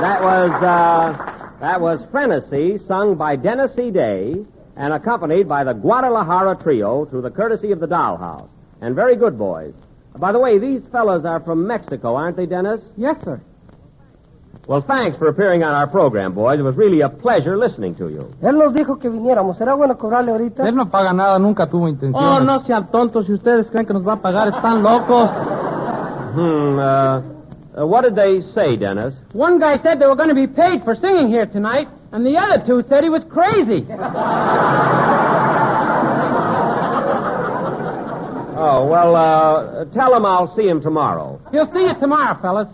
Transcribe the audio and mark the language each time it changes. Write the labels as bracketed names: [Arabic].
[English] That was Frenesy, sung by Dennis C. Day and accompanied by the Guadalajara Trio through the courtesy of the Dollhouse. And very good boys. By the way, these fellows are from Mexico, aren't they, Dennis? Yes, sir. Well, thanks for appearing on our program, boys. It was really a pleasure listening to you. [Spanish] Él nos dijo que viniéramos. ¿Será bueno cobrarle ahorita? Él no paga nada. Nunca tuvo intención. Oh, no sean tontos. Si ustedes creen que nos va a pagar, están locos. [English] What did they say, Dennis? One guy said they were going to be paid for singing here tonight, and the other two said he was crazy. Oh, well, tell him I'll see him tomorrow. He'll see you tomorrow, fellas.